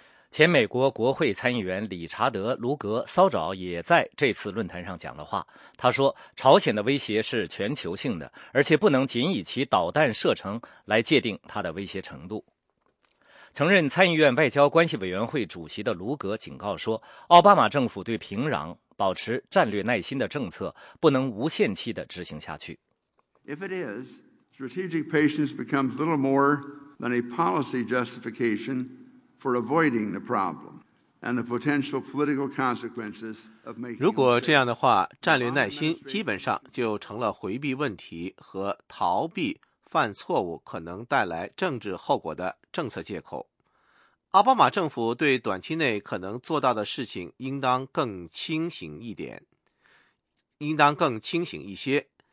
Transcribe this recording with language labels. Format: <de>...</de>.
<zh>前美国国会参议员理查德·卢格·骚爪也在这次论坛上讲了话，他说朝鲜的威胁是全球性的，而且不能仅以其导弹射程来界定它的威胁程度。曾任参议院外交关系委员会主席的卢格警告说，奥巴马政府对平壤保持战略耐心的政策不能无限期地执行下去。</zh> <en>If it is, strategic patience becomes little more than a policy justification for avoiding the problem and the potential political consequences of making.</en> <zh>如果这样的话，战略耐心基本上就成了回避问题和逃避犯错误可能带来政治后果的政策借口。奥巴马政府对短期内可能做到的事情应当更清醒一点，应当更清醒一些。</zh>